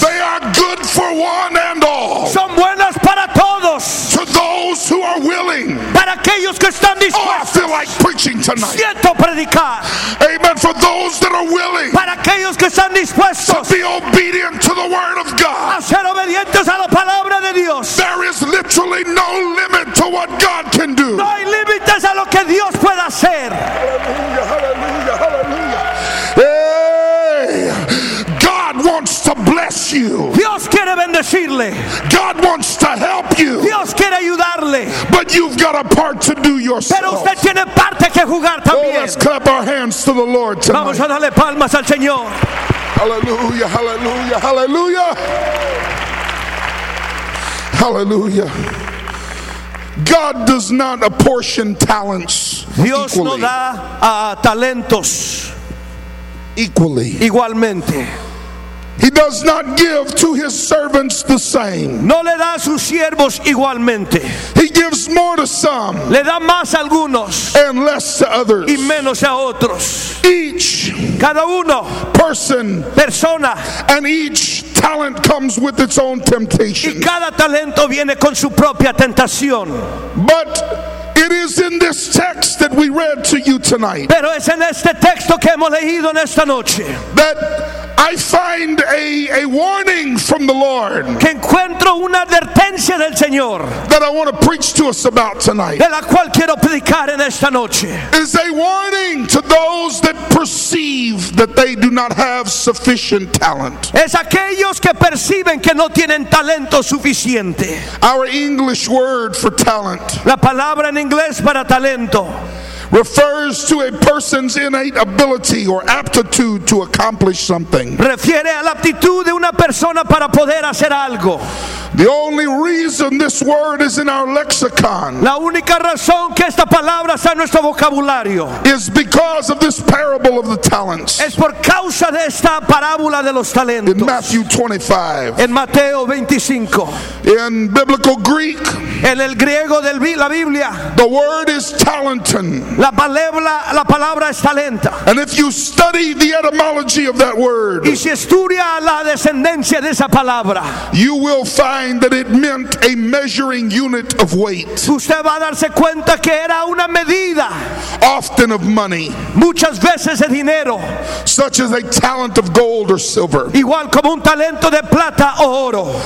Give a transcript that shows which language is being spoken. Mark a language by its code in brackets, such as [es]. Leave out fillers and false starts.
[en] They are good for one and all. [es] Son buenas para todos. [en] To those who are willing. [es] Para aquellos que están dispuestos. [en] Oh, I feel like preaching tonight. [es] Siento predicar. [en] Amen. For those that are willing. [es] Para aquellos que están dispuestos. [en] To be obedient to the word of God. [es] A ser obedientes a la palabra de Dios. [en] There is literally no limit to what God can do. [es] No hay límites a lo que Dios puede hacer. [en] Hallelujah, hallelujah, hallelujah. Hey, God wants to bless you. [es] Dios quiere bendecirle. [en] God wants to help you. [es] Dios quiere ayudarle. [en] But you've got a part to do yourself. [es] Pero usted tiene parte que jugar también. [en] Oh, let's clap our hands to the Lord tonight. [es] Vamos a darle palmas al Señor. [en] Hallelujah, hallelujah, hallelujah. Hallelujah. God does not apportion talents. [es] Dios [en] equally. [es] No da talentos [en] equally. [es] Igualmente. [en] He does not give to his servants the same. [es] No le da a sus siervos igualmente. [en] He gives more to some. [es] Le da más a algunos. [en] And less to others. [es] Y menos a otros. [en] Each. [es] Cada uno. [en] Person. [es] Persona. [en] And each talent comes with its own temptation. [es] Y cada talento viene con su propia tentación. [en] But it is in this text that we read to you tonight. [es] Pero es en este texto que hemos leído en esta noche. [en] That I find a warning from the Lord. [es] Que encuentro una advertencia del Señor. [en] That I want to preach to us about tonight. [es] De la cual quiero predicar en esta noche. [en] Is a warning to those that perceive that they do not have sufficient talent. [es] Es aquellos que perciben que no tienen talento suficiente. [en] Our English word for talent. [es] La palabra en inglés para talento. [en] Refers to a person's innate ability or aptitude to accomplish something. [es] Refiere a la aptitud de una persona para poder hacer algo. [en] The only reason this word is in our lexicon. [es] La única razón que esta palabra está en nuestro vocabulario. [en] Is because of this parable of the talents. [es] Es por causa de esta parábola de los talentos. [en] In Matthew 25. [es] En Mateo 25. [en] In biblical Greek. [es] En el griego de la Biblia. [en] The word is talenton. [es] La palabra es talenta. [en] And if you study the etymology of that word. [es] Y si estudia la descendencia de esa palabra. [en] You will find find that it meant a measuring unit of weight. [es] Usted va a darse cuenta que era una medida. [en] Often of money. [es] Muchas veces de dinero. [en] Such as a talent of gold or silver. [es] Igual como un talento de plata o oro.